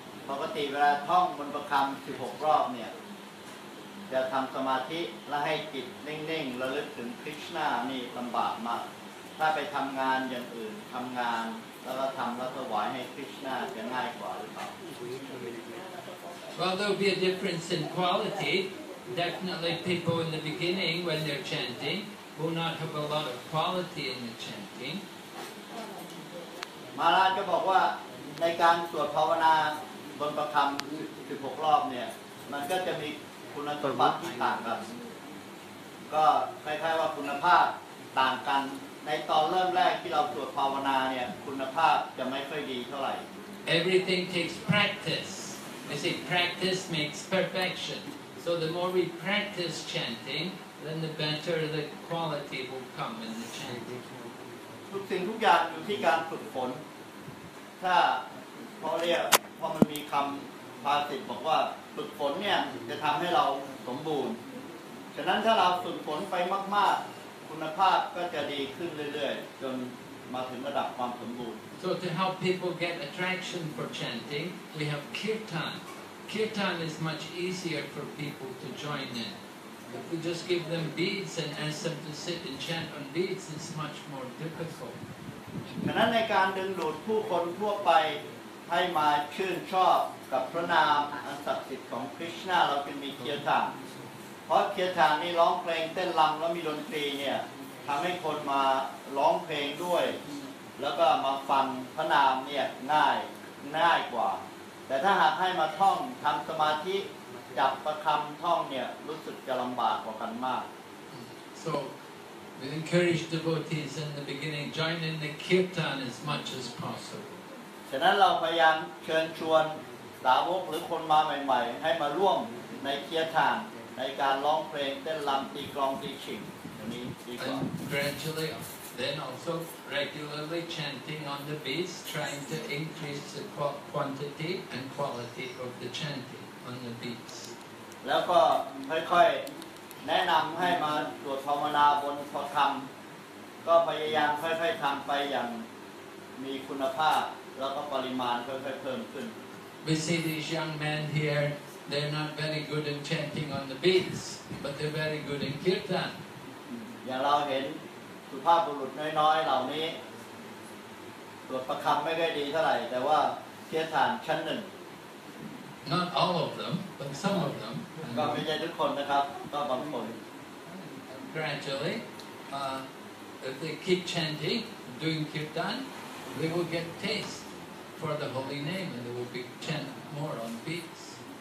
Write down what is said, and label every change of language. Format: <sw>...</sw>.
<th>ปกติเวลาท่องมนต์ประคำ16รอบเนี่ยจะทำสมาธิและให้จิตนิ่งๆและลึกถึงคริชนานี่ลำบากมากถ้าไปทำงานอย่างอื่นทำงานแล้วก็ทำแล้วถวายให้คริชนาจะง่ายกว่าหรือเปล่า</th> <en>Well, there'll be a difference in quality. Definitely people in the beginning when they're chanting will not have a lot of quality in the chanting.</en> <th>มาราจะบอกว่าในการสวดภาวนาบนประคำ16รอบเนี่ยมันก็จะมีคุณสมบัติที่ต่างกันก็คล้ายๆว่าคุณภาพต่างกันในตอนเริ่มแรกที่เราสวดภาวนาเนี่ยคุณภาพจะไม่ค่อยดีเท่าไหร่</th> <en>Everything takes practice. I say practice makes perfection. So the more we practice chanting, then the better the quality will come in the chanting.</en> <th>ทุกสิ่งทุกอย่างอยู่ที่การฝึกฝนถ้าพอเรียกพอมันมีคำภาษิตบอกว่าฝึกฝนเนี่ยจะทำให้เราสมบูรณ์ฉะนั้นถ้าเราฝึกฝนไปมากๆคุณภาพก็จะดีขึ้นเรื่อยๆจนมาถึงระดับความสมบูรณ์</th> <en>So to help people get attraction for chanting, we have kirtan. Kirtan is much easier for people to join in. If we just give them beads and ask them to sit and chant on beads, it's much more difficult.</en> <th>ฉะนั้นในการดึงดูดผู้คนทั่วไปให้มาชื่นชอบกับพระนามอันศักดิ์สิทธิ์ของคริชนาเราจึงมีเคียร์ทานเพราะเคียร์ทานนี่ร้องเพลงเต้นรำแล้วมีดนตรีเนี่ยทำให้คนมาร้องเพลงด้วยแล้วก็มาฟังพระนามเนี่ยง่ายกว่าแต่ถ้าหากให้มาท่องทำสมาธิจับประคำท่องเนี่ยรู้สึกจะลำบากกว่ากันมาก</th> <en>So we encourage devotees in the beginning join in the kirtan as much as possible</en> <th>ฉะนั้นเราพยายามเชิญชวนสาวกหรือคนมาใหม่ๆให้มาร่วมในเคียร์ทานในการร้องเพลงเต้นรำตีกลองตีฉิงอันนี้ดีกว่า</th> <en>gradually then also regularly chanting on the beats trying to increase the quantity and quality of the chantingon the beats</en> <th>แล้วก็ค่อยๆแนะนำให้มาสวดภาวนาบนพระธรรมก็พยายามค่อยๆทำไปอย่างมีคุณภาพแล้วก็ปริมาณค่อยๆเพิ่มขึ้น</th> <en>We see these young men here they're not very good in chanting on the beats but they're very good in kirtan</en> <th>อย่างเราเห็นสุภาพบุรุษน้อยๆเหล่านี้สวดประคำไม่ได้ดีเท่าไหร่แต่ว่าเคียร์ทานชั้นหนึ่ง</th> <en>Not all of them, but some of them. Gradually, if they keep chanting, doing kirtan, they will get taste for the holy name, and they will be chant more on beats.</en>